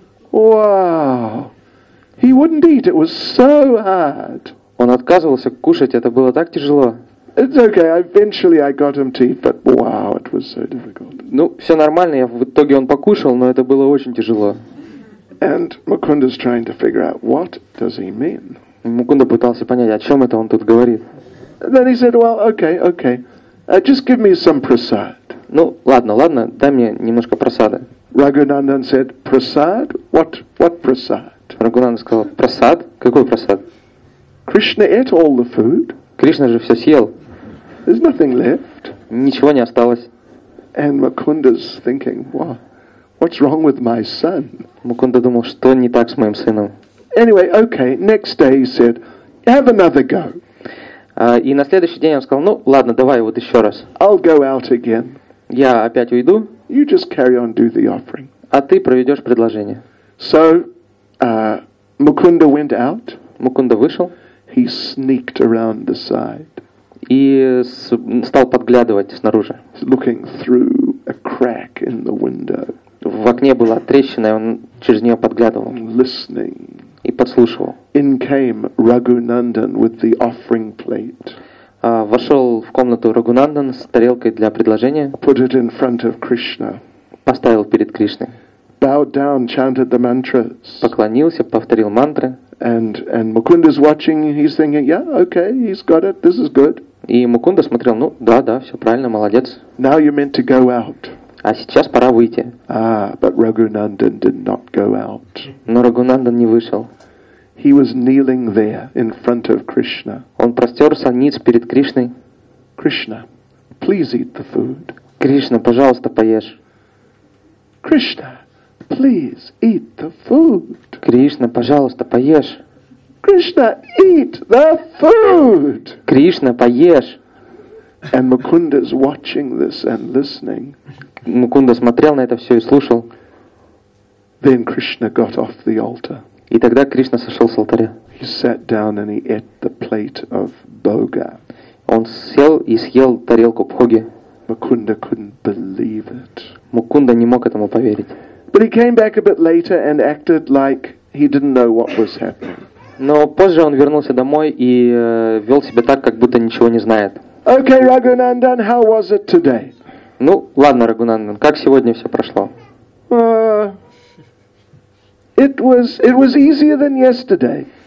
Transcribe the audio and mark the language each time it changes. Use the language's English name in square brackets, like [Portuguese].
[English] Wow. He wouldn't eat. It was so hard. [Russian] Он отказывался кушать, это было так тяжело. [English] It's okay. Eventually, I got him to eat, but wow, it was so difficult. [Russian] Ну, все нормально. Я в итоге он покушал, но это было очень тяжело. [English] And Mukunda's trying to figure out what does he mean. [Russian] Мукунда пытался понять, о чем это он тут говорит. [English] Then he said, "Well, okay. Just give me some prasad." [Russian] Ну, ладно. Дай мне немножко прасады. [English] Raghunandan said, "Prasad? What prasad?" [Russian] Raghunandan сказал, "Прасад? Какой прасад?" [English] Krishna ate all the food. [Russian] Кришна же все съел. [English] There's nothing left. [Russian] Ничего не осталось. [English] And Mukunda's thinking, what's wrong with my son? [Russian] Мукунда думал, что не так с моим сыном. [English] Anyway, okay, next day he said, "Have another go." [Russian] И на следующий день он сказал, ну ладно, давай вот еще раз. [English] I'll go out again. [Russian] Я опять уйду. [English] You just carry on do the offering. [Russian] а ты проведешь предложение. [English] So, Mukunda went out. [Russian] Mukunda вышел. [English] He sneaked around the side. [Russian] И стал подглядывать снаружи. [English] Looking through a crack in the window. [Russian] В окне была трещина, и он через нее подглядывал. [English] Listening. [Russian] И подслушивал. [English] In came Raghunandan with the offering plate. [Russian] Вошел в комнату Рагунандан с тарелкой для предложения. [English] Put it in front of Krishna. [Russian] Поставил перед Кришной. [English] Bowed down, chanted the mantras. [Russian] Поклонился, повторил мантры. [English] And Mukunda's watching, he's thinking, yeah, okay, he's got it, this is good. [Russian] И Мукунда смотрел, ну да, да, все правильно, молодец. [English] Now you're meant to go out. [Russian] А сейчас пора выйти. [English] Ah, but Raghunandan did not go out. [Russian] Но Рагунандан не вышел. [English] He was kneeling there in front of Krishna. [Russian] Он простерся ниц перед Кришной. [English] Krishna, please eat the food. [Russian] Кришна, пожалуйста, поешь. [English] Krishna, please eat the food. [Russian] Кришна, пожалуйста, поешь. [English] Krishna, eat the food. [Russian] Кришна, поешь. [English] And Mukunda's watching this and listening. [Russian] Мукунда смотрел на это все и слушал. [English] Then Krishna got off the altar. [Russian] И тогда Кришна сошел с алтаря. [English] He sat down and he ate the plate of bhoga. [Russian] Он сел и съел тарелку бхоги. [English] Mukunda couldn't believe it. [Russian] Мукунда не мог этому поверить. [English] But he came back a bit later and acted like he didn't know what was happening. [Russian] Но позже он вернулся домой и вел себя так, как будто ничего не знает. [English] Okay, Raghunandan, how was it today? [Russian] Ну, ладно, Раганандан, как сегодня все прошло? [English] It was easier than yesterday.